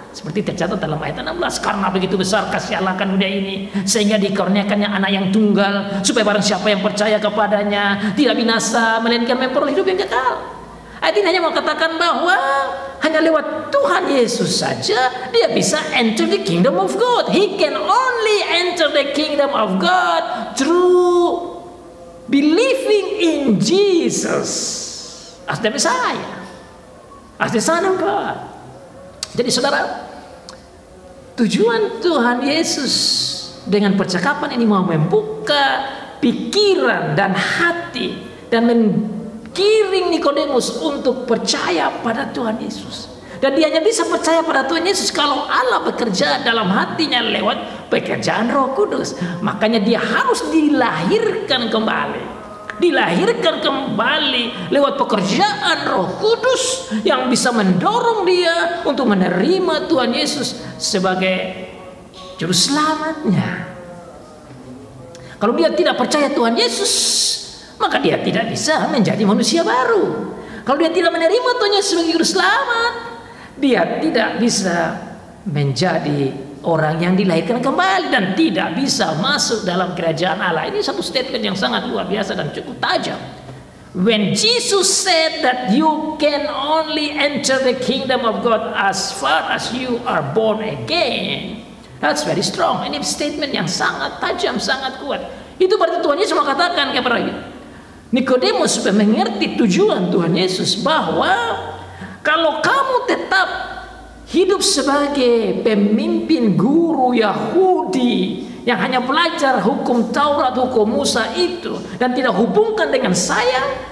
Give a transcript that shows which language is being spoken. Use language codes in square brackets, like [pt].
[id] Seperti tercatat dalam ayat 16, karena begitu besar kasih Allah akan dunia ini, sehingga dikaruniakannya anak yang tunggal, supaya barang siapa yang percaya kepadanya tidak binasa, melainkan memperoleh hidup yang kekal. Ayat ini hanya mau katakan bahwa hanya lewat Tuhan Yesus saja dia bisa [en] enter the kingdom of God. He can only enter the kingdom of God through believing in Jesus as the Messiah, as the Son of God. [id] Jadi saudara, tujuan Tuhan Yesus dengan percakapan ini mau membuka pikiran dan hati dan menggiring Nikodemus untuk percaya pada Tuhan Yesus. Dan dia hanya bisa percaya pada Tuhan Yesus kalau Allah bekerja dalam hatinya lewat pekerjaan Roh Kudus. Makanya dia harus dilahirkan kembali lewat pekerjaan Roh Kudus yang bisa mendorong dia untuk menerima Tuhan Yesus sebagai juru selamatnya. Kalau dia tidak percaya Tuhan Yesus, maka dia tidak bisa menjadi manusia baru. Kalau dia tidak menerima Tuhan Yesus sebagai juru selamat, dia tidak bisa menjadi orang yang dilahirkan kembali dan tidak bisa masuk dalam kerajaan Allah. Ini satu statement yang sangat luar biasa dan cukup tajam. [en] When Jesus said that you can only enter the kingdom of God as far as you are born again, that's very strong. [id] Ini statement yang sangat tajam, sangat kuat. Itu berarti Tuhan Yesus mau katakan kepada Nikodemus supaya mengerti tujuan Tuhan Yesus, bahwa kalau kamu tetap hidup sebagai pemimpin guru Yahudi yang hanya belajar hukum Taurat, hukum Musa itu, dan tidak hubungkan dengan saya,